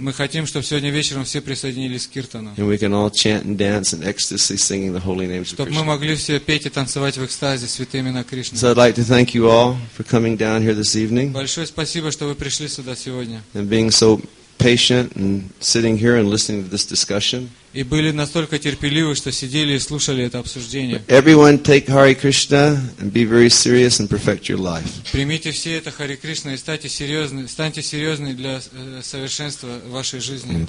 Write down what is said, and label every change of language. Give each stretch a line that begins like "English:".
Russian: Мы хотим, чтобы сегодня вечером все присоединились к киртану.
English: And we can all chant and dance in ecstasy, singing the holy names of Krishna.
Russian: Чтобы мы могли все петь и танцевать в экстазе святые имена Кришны.
English: So I'd like to thank you all for coming down here this evening.
Russian: Большое спасибо, что вы пришли сюда сегодня.
English: And being so patient and sitting here and listening to this discussion.
Russian: И были настолько терпеливы, что сидели и слушали это обсуждение.
English: Everyone take Hare Krishna and be very serious and perfect your life.
Russian: Примите все это Hare Krishna и станьте серьезны для совершенства вашей жизни.